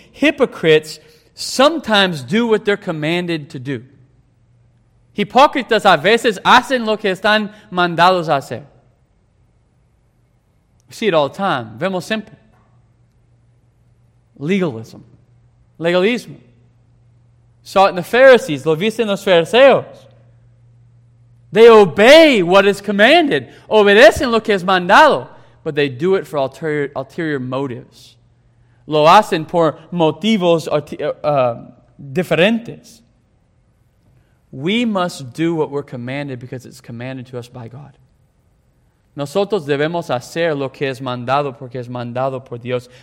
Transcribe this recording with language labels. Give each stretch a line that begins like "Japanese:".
English: Hypocrites sometimes do what they're commanded to do.
Spanish: Hipócritas a veces hacen lo que están mandados a hacer.
English: We see it all the time.
Spanish: Vemos siempre.
English: Legalism. Legalismo. Saw it in the Pharisees.
Spanish: Lo viste en los fariseos.
English: They obey what is commanded.
Spanish: Obedecen lo que es mandado.
English: But they do it for ulterior motives.
Spanish: Lo hacen por motivos diferentes.
English: We must do what we're commanded because it's commanded to us by God.
Spanish: Nosotros debemos hacer lo que es mandado porque es mandado por Dios.